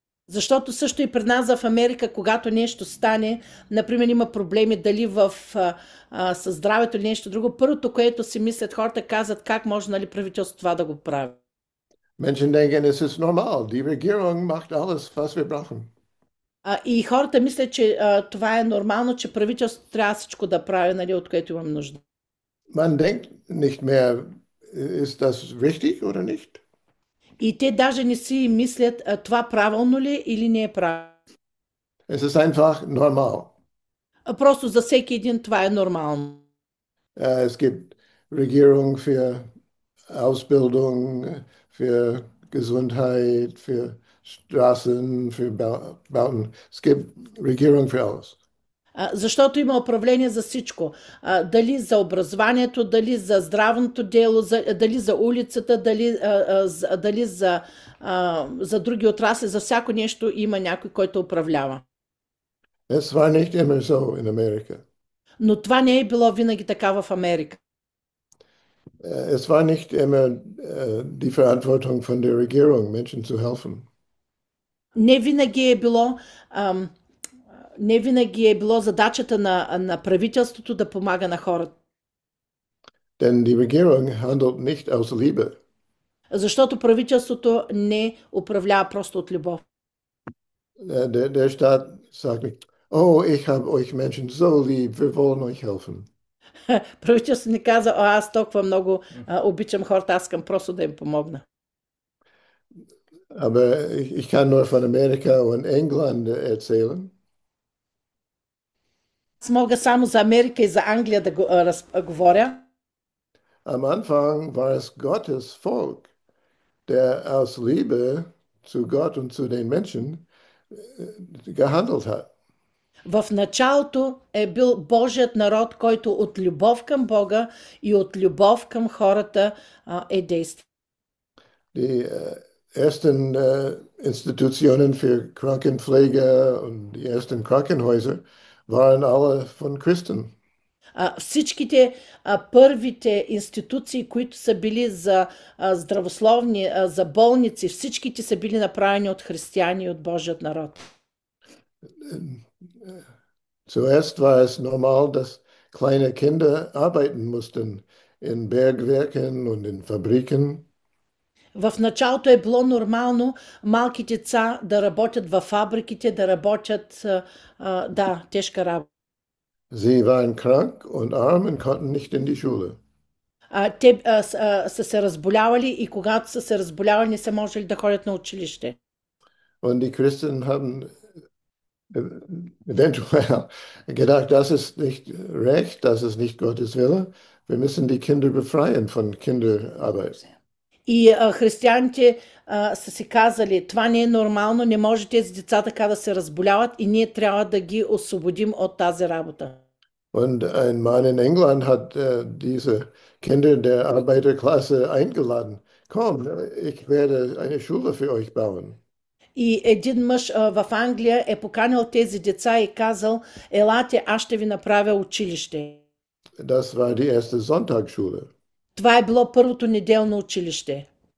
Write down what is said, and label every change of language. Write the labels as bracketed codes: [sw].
[bg] Защото също и при нас в Америка, когато нещо стане, например, има проблеми дали със здравето или нещо друго, първото, което си мислят хората, казват как може нали, правителството това да го прави. [de] Menschen denken, es ist normal. Die Regierung macht alles, was wir brauchen. [bg] И хората мислят, че това е нормално, че правителството трябва всичко да прави, нали, от което имам нужда. [de] Man denkt nicht mehr, ist das richtig oder nicht? [bg] И те даже не си мислят това правилно ли или не е правилно. [de] Es ist einfach normal. [bg] Просто за всеки един това е нормално. [de] Es gibt Regierung für Ausbildung, für Gesundheit, für Straßen, für Bauten. Es gibt Regierung für alles. [bg] Защото има управление за всичко. Дали за образованието, дали за здравното дело, дали за улицата, дали за други отрасли, за всяко нещо има някой, който управлява. [de] Es war nicht immer so in Amerika. [bg] Но това не е било винаги така в Америка. [de] Es war nicht immer die Verantwortung von der Regierung, Menschen zu helfen. [bg] Не винаги е било. Не винаги е било задачата на правителството да помага на хората. [de] Denn die Regierung handelt nicht aus Liebe. [bg] Защото правителството не управлява просто от любов. [de] Der Staat sagt nicht, oh, ich habe euch Menschen so lieb, wir wollen euch helfen. [bg] Правителството ни каза, о, аз толкова много обичам хората, аз искам просто да им помогна. [de] Aber ich kann nur von Amerika und England erzählen. [bg] Аз мога само за Америка и за Англия да говоря. [de] Am Anfang war es Gottes Volk, der aus Liebe zu Gott und zu den Menschen gehandelt hat. [bg] В началото е бил Божият народ, който от любов към Бога и от любов към хората е действал. [de] ersten Institutionen für Krankenpfleger und die ersten Krankenhäuser waren alle von Christen. [bg] Всичките първите институции, които са били за здравословни, за болници, всичките са били направени от християни и от Божият народ. [de] Zuerst war es normal, dass kleine Kinder arbeiten mussten in Bergwerken und in Fabriken. [bg] В началото е било нормално малките деца да работят във фабриките, да работят да, тежка работа. [de] Sie waren krank und arm und konnten nicht in die Schule. [bg] Те са се разболявали и когато са се разболявали, не са можели да ходят на училище. [de] Und die Christen haben eventuell gedacht, das ist nicht recht, das ist nicht Gottes Wille. Wir müssen die Kinder befreien von Kinderarbeit. [bg] И християните са си казали, това не е нормално, не може тези деца така да се разболяват и ние трябва да ги освободим от тази работа. [de] Und ein Mann in England hat diese Kinder der Arbeiterklasse eingeladen. Komm, ich werde eine Schule für euch bauen. [bg] И един мъж в Англия е поканил тези деца и казал, елате, аз ще ви направя училище. [de] Das war die erste Sonntagsschule. [bg] Това е било първото неделно училище.